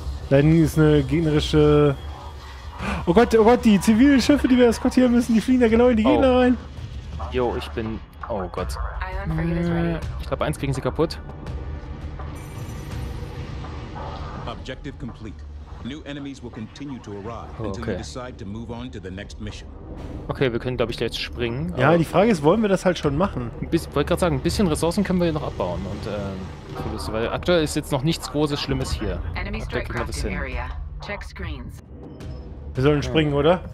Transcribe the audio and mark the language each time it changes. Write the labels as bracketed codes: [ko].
[de] Dann ist eine gegnerische. Oh Gott, die zivilen Schiffe, die wir eskortieren müssen, die fliegen da genau in die Gegner rein. Jo, ich bin. Oh Gott. Ich glaube, eins kriegen sie kaputt. [en] Objective complete. New enemies will continue to arrive until you decide to move on to the next mission. [de] Okay, wir können, glaube ich, jetzt springen. Ja, die Frage ist, wollen wir das halt schon machen? Ich wollte gerade sagen, ein bisschen Ressourcen können wir hier noch abbauen. Und weil aktuell ist jetzt noch nichts Großes Schlimmes hier. Aktuell kriegen wir das hin. [en] Check screens. [de] Wir sollen springen, oder?